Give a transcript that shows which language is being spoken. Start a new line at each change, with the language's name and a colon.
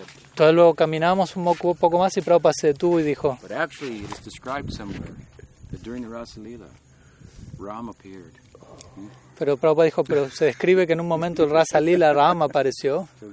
Spanish: Entonces luego caminamos un poco más y Prabhupada se detuvo y dijo,
English: but actually it is described somewhere. During the Rasa Lila, Ram appeared.
Spanish: Pero Prabhupada dijo, pero se describe que en un momento el Rasa Lila Ram apareció.